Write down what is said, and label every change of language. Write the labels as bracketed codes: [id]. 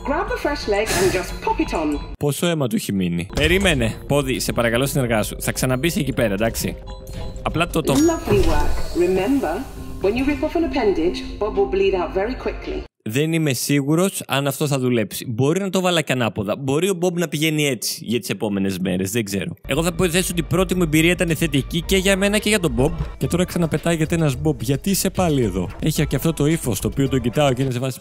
[en] Grab a fresh leg and just pop it on. [el] Πόσο αίμα του έχει μείνει. Περίμενε. Πόδι, σε παρακαλώ συνεργάσου. Θα ξαναμπήσει εκεί πέρα, εντάξει. Απλά το το. [en] Lovely work. Remember, when you rip off an appendage, Bob will bleed out very quickly. [el] Δεν είμαι σίγουρος αν αυτό θα δουλέψει. Μπορεί να το βάλα και ανάποδα. Μπορεί ο Μπομπ να πηγαίνει έτσι για τις επόμενες μέρες. Δεν ξέρω. Εγώ θα υποθέσω ότι η πρώτη μου εμπειρία ήταν θετική και για μένα και για τον Μπομπ. Και τώρα ξαναπετάγεται ένας Μπομπ. Γιατί είσαι πάλι εδώ. Έχει και αυτό το ύφος το οποίο τον κοιτάω και είναι σε βάση.